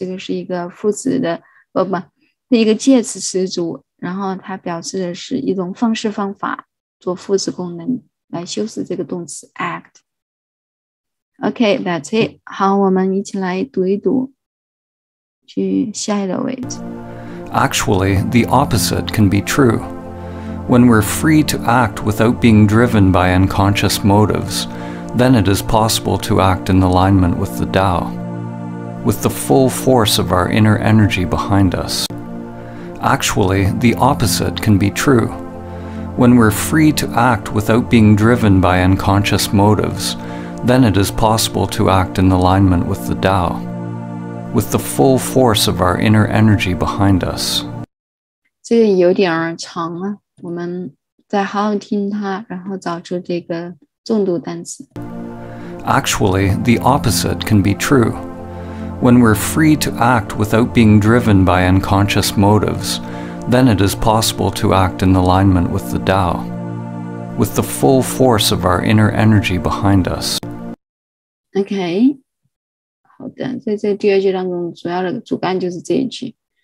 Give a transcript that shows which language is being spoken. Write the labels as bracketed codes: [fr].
[zh] 这个是一个副词的一个介词词组，然后它表示的是一种方式方法，做副词功能来修饰这个动词 act。 [en] Okay, that's it. [zh] 好，我们一起来读一读，去下一个位置。 [en] Actually, the opposite can be true. When we're free to act without being driven by unconscious motives, then it is possible to act in alignment with the Tao, with the full force of our inner energy behind us. Actually, the opposite can be true. When we're free to act without being driven by unconscious motives,then it is possible to act in alignment with the Tao, with the full force of our inner energy behind us. [zh] 这个有点长了，我们再好好听它，然后找出这个重读单词。 [en] Actually, the opposite can be true. When we're free to act without being driven by unconscious motives, then it is possible to act in alignment with the Tao, with the full force of our inner energy behind us. Okay. [zh] 好的，所以在第二句当中主要的主干就是这一句。